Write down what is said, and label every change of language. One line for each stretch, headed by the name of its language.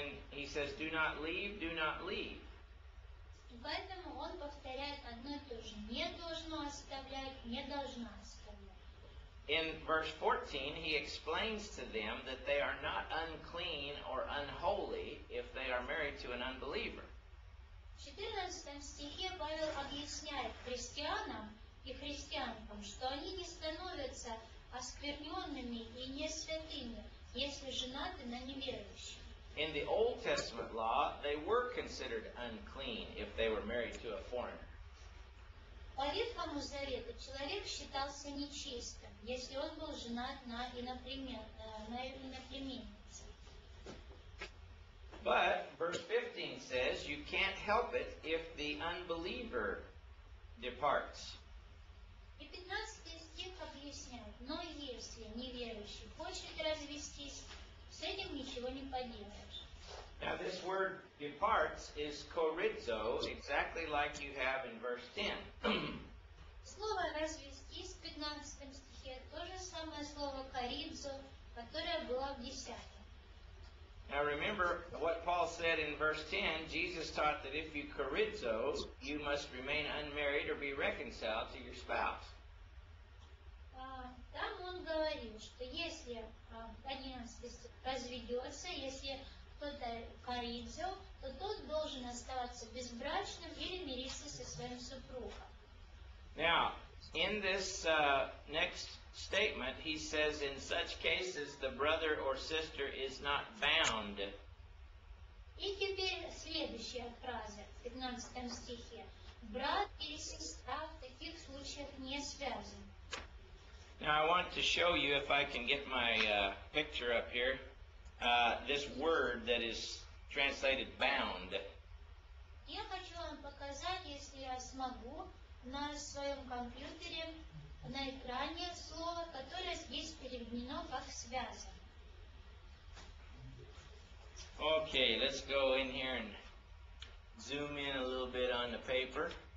English: He says, "Do not leave, do not leave."
Russian: Поэтому он повторяет одно и то же. Не должно оставлять, не должна оставлять.
English: In verse 14, he explains to them that they are not unclean or unholy if they are married to an unbeliever.
Russian: В 14 стихе Павел объясняет христианам и христианкам, что они не становятся оскверненными и не святыми, если женаты на неверующих.
English: In the Old Testament law, they were considered unclean if they were married to a foreigner.
Russian: По Ветхому Завету человек считался нечистым, если он был женат на иноплеменнице.
English: But verse 15 says, "You can't help it if the unbeliever departs."
Russian: И 15 стих объясняет, но если неверующий хочет развестись, с этим ничего не поделаешь.
English: Now this word "departs" is korizo, exactly like you have in verse 10.
Russian: Слово развестись в 15 стихе то же самое слово коридзо, которое было в 10.
English: Now remember what Paul said in verse 10. Jesus taught that if you korizo, you must remain unmarried or be reconciled to your spouse.
Russian: Там он говорил, что если 11 стих разведется, если кто-то коринфянин, то тот должен оставаться безбрачным или мириться со своим супругом.
English: Now, in this next statement, he says, "In such cases, the brother or sister is not bound."
Russian: И теперь следующая фраза в 15 стихе. Брат или сестра в таких случаях не связан.
English: Now, I want to show you, if I can get my picture up here, this word that is translated "bound."
Russian: Я хочу вам показать, если я смогу, на своем компьютере на экране слово, которое здесь переведено как "связан".
English: Okay, let's go in here and zoom in a little bit on the paper.